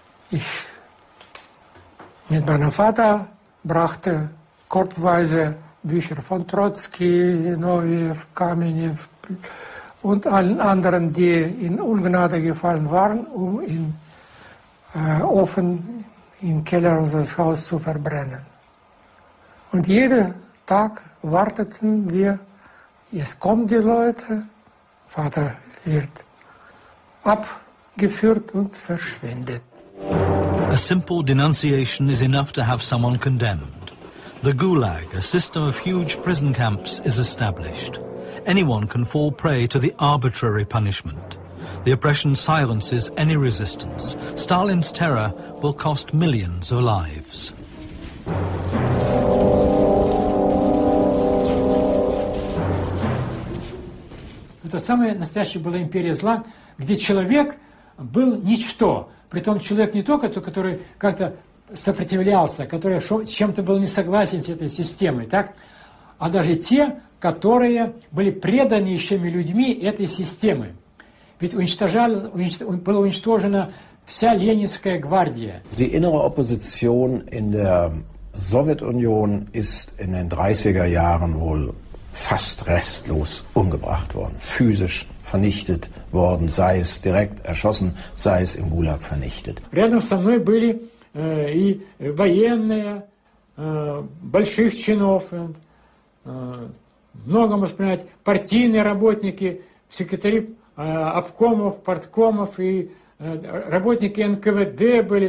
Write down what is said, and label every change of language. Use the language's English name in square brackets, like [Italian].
[German] Ich mit meinem Vater brachte korbweise Bücher von Trotsky, Zinoviev, Kamenev und allen anderen, die in Ungnade gefallen waren, um in offen im Keller unseres Hauses zu verbrennen. Und jeden Tag warteten wir, jetzt kommen die Leute, Vater wird abgeführt und verschwindet. [English] A simple denunciation is enough to have someone condemned. The Gulag, a system of huge prison camps, is established. Anyone can fall prey to the arbitrary punishment. The oppression silences any resistance. Stalin's terror will cost millions of lives. [Russian] Это самое настоящее было империя зла, где человек был ничто. Притом человек не только тот, который как-то сопротивлялся, который чем-то был не согласен с этой системой, так? А даже те, которые были преданнейшими людьми этой системы. Ведь была уничтожена вся Ленинская гвардия. [German] Die innere Opposition in der Sowjetunion ist in den 30er Jahren wohl fast restlos umgebracht worden, physisch vernichtet worden, sei es direkt erschossen, sei es im Gulag vernichtet. [Russian] Рядом со мной были и военные, больших чинов, много, можно сказать, партийные работники, секретари обкомов, парткомов и работники НКВД были.